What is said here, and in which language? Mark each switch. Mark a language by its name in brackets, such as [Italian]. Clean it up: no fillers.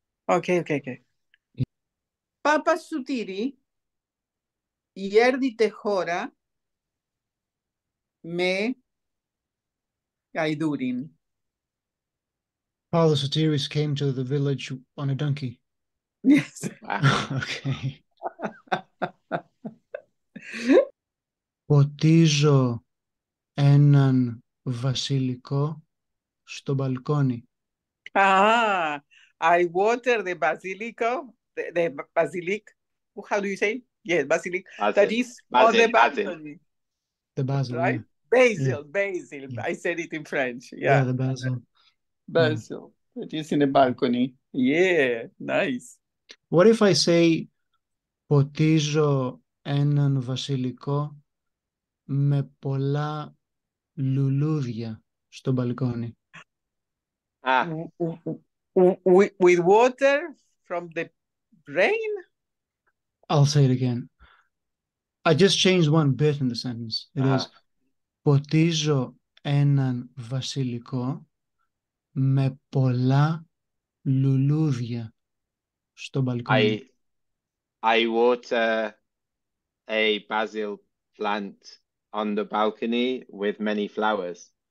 [English] Okay. Papa Sutiri. [Arvanitika Albanian] Yerdite hora me gaidurin. [English] Father Sotiris came to the village on a donkey. Yes. [Greek] Okay. Ποτίζω έναν βασιλικό στο μπαλκόνι. [English] I water the basilico, the basilic. How do you say? Yeah, basilic. That is basil, on the balcony. The basil, right? Yeah. Basil. Yeah. I said it in French. Yeah, the basil. Basil. Yeah. That is in a balcony. Yeah, nice. What if I say [Greek] ποτίζω έναν βασιλικό με πολλά λουλούδια στο μπαλκόνι? [English] With water from the rain? I'll say it again. I just changed one bit in the sentence. It is [Greek] ποτίζω έναν βασιλικό με πολλά λουλούδια στο μπαλκόνι. [English] I water a basil plant on the balcony with many flowers.